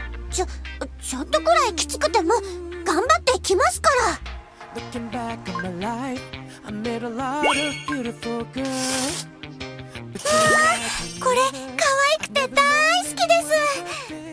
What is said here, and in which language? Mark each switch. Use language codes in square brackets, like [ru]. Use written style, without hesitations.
[ja] ちょっとくらいきつくても頑張っていきますから。 [en] Looking back on my life, I met a lot of beautiful girls. [ja] うわー、これ可愛くて大好きです。